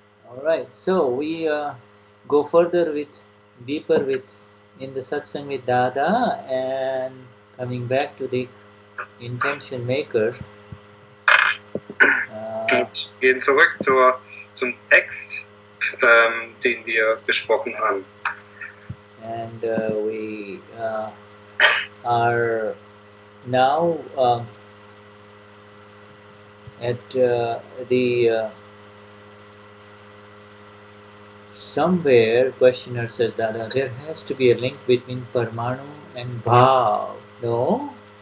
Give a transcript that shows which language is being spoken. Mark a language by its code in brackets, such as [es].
[en] Alright, so we go further with, deeper with, in the satsang with Dada, and coming back to the intention maker. [de] Gehen zurück zum Text, den wir besprochen haben. [en] And we are now at the somewhere, questioner says, Dada, there has to be a link between Parmanu and Bhav, no?